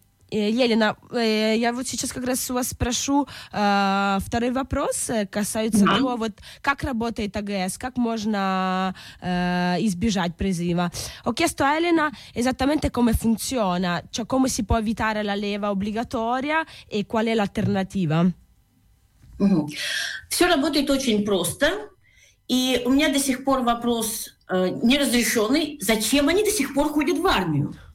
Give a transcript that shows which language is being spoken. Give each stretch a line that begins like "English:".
Russian: Елена, я вот сейчас как раз у вас спрошу второй вопрос, касается того, вот как работает АГС, как можно избежать призыва.
Italian: Ho chiesto a Elena esattamente come funziona, cioè come si può evitare la leva obbligatoria e qual è l'alternativa.
Russian: Все работает очень просто, и у меня до сих пор вопрос неразрешенный, зачем они до сих пор ходят в армию?